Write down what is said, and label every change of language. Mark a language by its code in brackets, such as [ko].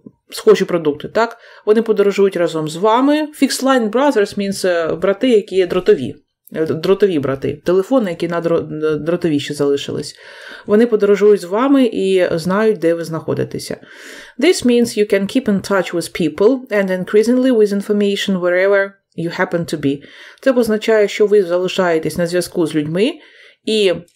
[uk] Схожі продукти, так? Вони подорожують разом з вами. [en] Fixed line brothers means [uk] брати, які є дротові. Дротові брати. Телефони, які на дротові ще залишились. Вони подорожують з вами і знають, де ви знаходитеся. [en] This means you can keep in touch with people and increasingly with information wherever you happen to be. [uk] Це означає, що ви залишаєтесь на зв'язку з людьми і...